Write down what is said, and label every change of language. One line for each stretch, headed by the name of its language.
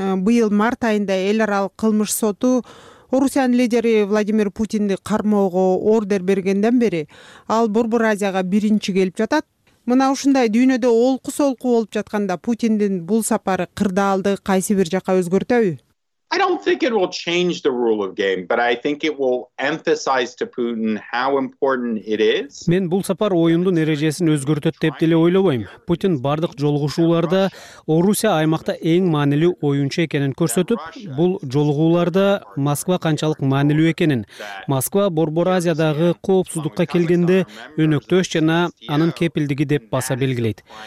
Kyrgyz: Быйыл март айында эл аралык кылмыш соту Орусиянын лидери Владимир Путинди кармоого ордер бергенден бери ал Борбор Азияга биринчи келип жатат. Мына ушундай дүйнөдө олку-солку болуп жатканда Путиндин бул сапары кырдаалды кайсы бир жака өзгөртөбү?
English: I don't think it will change the rule of game, but I think it will emphasize to Putin how important it is.
Kyrgyz: Мен бул сапар оюндун эрежесин өзгөртөт деп деле ойлобойм. Путин бардык жолугушууларда Орусия аймакта эң маанилүү оюнчу экенин көрсөтүп, бул жолугууларда Москва канчалык маанилүү экенин, Москва Борбор Азиядагы коопсуздукка келгенде өнөктөш жана анын кепилдиги деп баса белгилейт.